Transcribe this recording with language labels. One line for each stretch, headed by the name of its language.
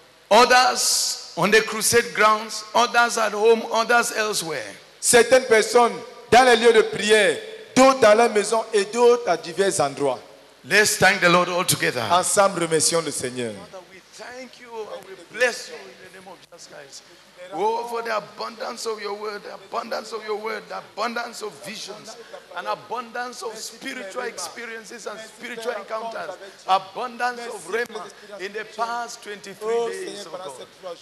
English: Others on the crusade grounds, others at home, others elsewhere.
French: Certaines personnes dans les lieux de prière, d'autres dans la maison et d'autres à divers endroits.
English: Let's thank the Lord all together.
French: Ensemble, remercions le Seigneur.
English: Father, we thank you and we bless you. Guys, oh, for the abundance of your word, the abundance of your word, the abundance of visions, an abundance of spiritual experiences and spiritual encounters, abundance of rhema in the past 23 days, oh God.